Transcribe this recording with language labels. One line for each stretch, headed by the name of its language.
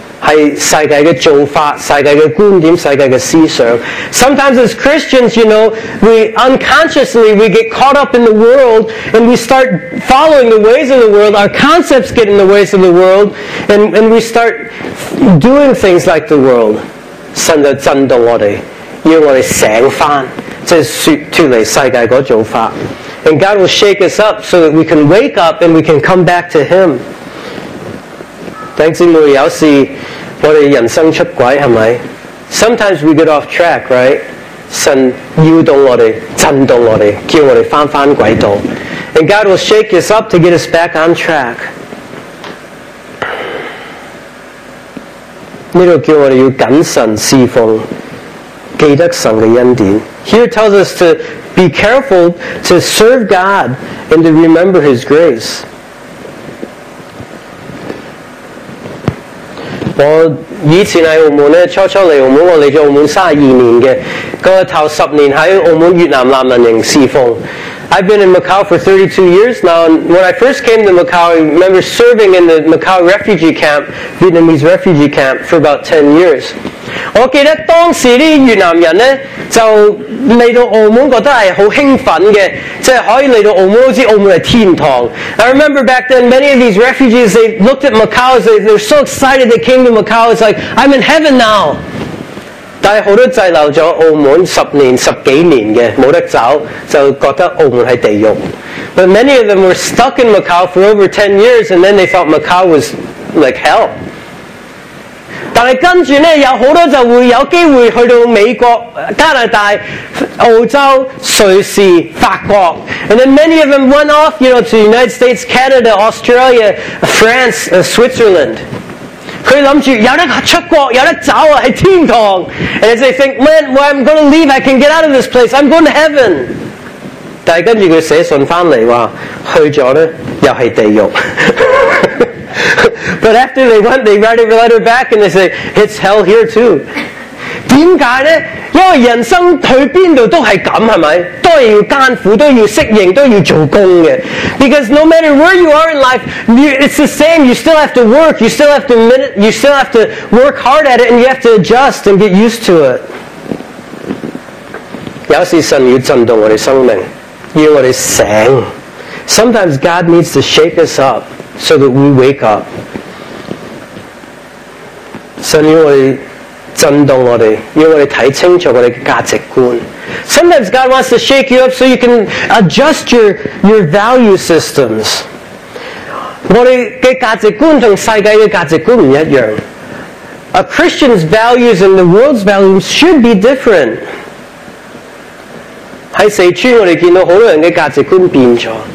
Cantonese: 是世界的做法、世界的观点、世界的思想。
English: Sometimes as Christians, you know, we unconsciously we get caught up in the world and we start following the ways of the world. Our concepts get in the ways of the world and we start doing things like the world.
Cantonese: 神就震动我们，要我们醒翻，即是说脱离世界的做法。
English: And God will shake us up so that we can wake up and we can come back to Him.
Cantonese: 等等，有时我们人生出轨，是吗？
English: Sometimes we get off track, right?
Cantonese: 神摇动我们，震动我们，叫我们翻翻轨道。
English: And God will shake us up to get us back on track.
Cantonese: 这里叫我们要谨慎侍奉，记得神的恩典。
English: Here tells us to be careful to serve God and to remember His grace.
Cantonese: 我以前在澳门呢，初初来澳门，我来了澳门32年的，那个头10年在澳门越南难民营侍奉。
English: I've been in Macau for 32 years now, and when I first came to Macau, I remember serving in the Macau refugee camp, Vietnamese refugee camp, for about 10 years.
Cantonese: 我記得當時的越南人呢，就來到澳門覺得是很興奮的，即是可以來到澳門，好像澳門是天堂。
English: I remember back then, many of these refugees, they looked at Macau, they were so excited they came to Macau, it's like, I'm in heaven now.
Cantonese: 但是很多滞留了澳门10年、10几年的没得走，就觉得澳门是地狱。
English: But many of them were stuck in Macau for over 10 years and then they thought Macau was like hell.
Cantonese: 但是跟着呢，有很多就会有机会去到美国、加拿大、澳洲、瑞士、法国。
English: And then many of them went off, you know, to the United States, Canada, Australia, France, Switzerland.
Cantonese: 他们想着有得出国有得走啊，是天堂。
English: And as they think, man, well, I'm going to leave, I can get out of this place, I'm going to heaven.
Cantonese: 但是跟着他写信回来说去了呢又是地狱。
English: But after they went, they write a letter back and they say, it's hell here too.
Cantonese: 为什么呢？因为人生去哪里都是这样，是不是？都要艰苦，都要适应，都要做工的。
English: Because no matter where you are in life, it's the same. You still have to work. You still have to work hard at it, and you have to adjust and get used to it.
Cantonese: 有时神要震动我们生命，要我们醒。
English: Sometimes God needs to shake us up so that we wake up.
Cantonese: 神要我们震动我们，要我们看清楚我们的价值观。
English: Sometimes God wants to shake you up so you can adjust your value systems.
Cantonese: 我们的价值观和世界的价值观不一样。
English: A Christian's values and the world's values should be different.
Cantonese: 在四川我们看到很多人的价值观变了。